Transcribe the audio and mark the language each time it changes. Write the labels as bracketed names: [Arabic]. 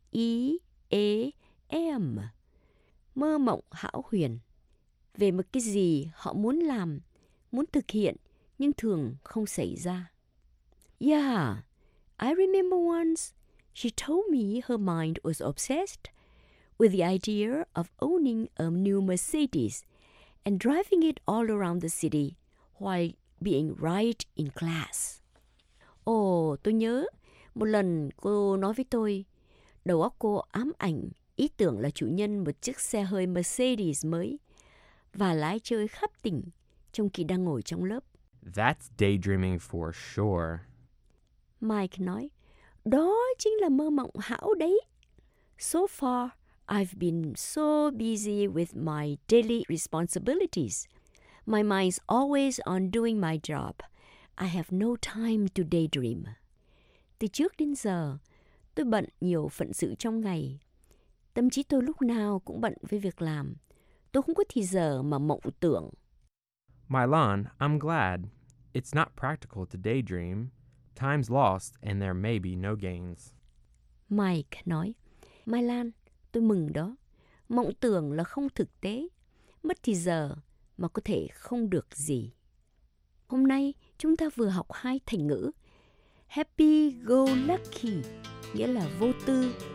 [Vietnamese] D-A-Y-D-R-E-A-M. Mơ mộng hão huyền về một cái gì họ muốn làm, muốn thực hiện, nhưng thường không xảy ra. [English] Yeah, I remember once she told me her mind was obsessed with the idea of owning a new Mercedes and driving it all around the city while being right in class. [Vietnamese] Oh, tôi nhớ một lần cô nói với tôi, đầu óc cô ám ảnh ý tưởng là chủ nhân một chiếc xe hơi Mercedes mới và lái chơi khắp tỉnh trong khi đang ngồi trong lớp. [English] That's daydreaming for sure. [Vietnamese] Mike nói, đó chính là mơ mộng hão đấy. [English] So far, I've been so busy with my daily responsibilities. My mind's always on doing my job. I have no time to daydream. [Vietnamese] Từ trước đến giờ, tôi bận nhiều phận sự trong ngày. Tâm trí tôi lúc nào cũng bận với việc làm. Tôi không có thì giờ mà mộng tưởng. [English] Mylan, I'm glad. It's not practical to daydream. Time's lost and there may be no gains. [Vietnamese] Mike nói, Mylan, tôi mừng đó. Mộng tưởng là không thực tế. Mất thì giờ mà có thể không được gì. Hôm nay chúng ta vừa học hai thành ngữ. Happy go lucky nghĩa là vô tư.